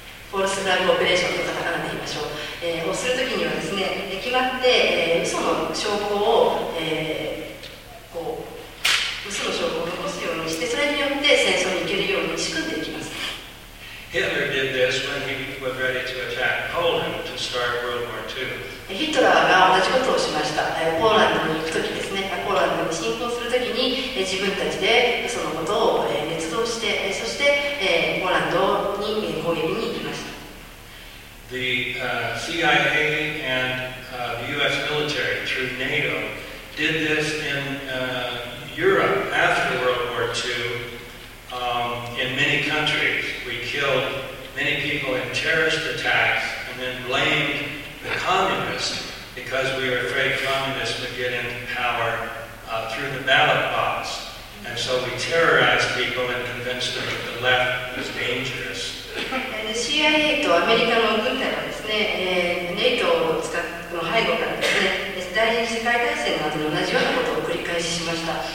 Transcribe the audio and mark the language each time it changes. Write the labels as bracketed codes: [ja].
[ja] フォルスフラグオペレーションとカタカナで言いましょう、をするときにはですね、決まって、嘘の証拠を、こう嘘の証拠を残すようにして、それによって戦争に行けるように仕組んでいきます。 [en] Hitler did this when he was ready to attack Poland to start World War II. [ja] ヒトラーが同じことをしました。ポーランドに行くときですね、ポーランドに侵攻するときに、自分たちで嘘のことを、捏造して、そして、ポーランドに、攻撃に行きます。 [en] The CIA and the U.S. military through NATO did this in Europe after World War II. In many countries, we killed many people in terrorist attacks and then blamed the communists because we were afraid communists would get into power through the ballot box. And so we terrorized people and convinced them that the left was dangerous. [ja] CIA とアメリカの軍隊はですね、NATO を使う背後からですね、第二次世界大戦の後に同じようなことを繰り返ししました。